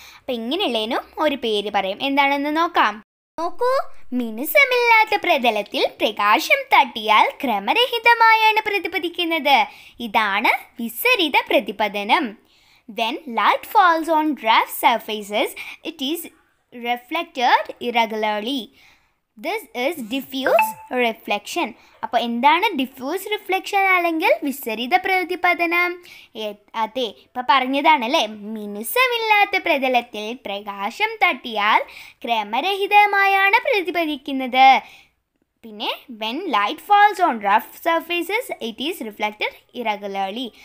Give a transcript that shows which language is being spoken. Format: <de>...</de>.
<ml>അപ്പം ഇങ്ങനെയുള്ളതിനും ഒരു പേര് പറയും, എന്താണെന്ന് നോക്കാം. നോക്കൂ, മിനുസമില്ലാത്ത പ്രതലത്തിൽ പ്രകാശം തട്ടിയാൽ ക്രമരഹിതമായാണ് പ്രതിപദിക്കുന്നത്. ഇതാണ് വിസരിത പ്രതിപദനം.</ml> <en>When light falls on rough surfaces it is reflected irregularly. This is diffuse reflection.</en> <ml>അപ്പൊ എന്താണ് ഡിഫ്യൂസ് റിഫ്ലക്ഷൻ അല്ലെങ്കിൽ വിസരിത പ്രതിപദനം? അതെ, ഇപ്പൊ പറഞ്ഞതാണ് അല്ലേ, മിനുസമില്ലാത്ത പ്രതലത്തിൽ പ്രകാശം തട്ടിയാൽ ക്രമരഹിതമായാണ് പ്രതിഫലിക്കുന്നത്.</ml> <en>പിന്നെ when light falls on rough surfaces it is reflected irregularly.</en>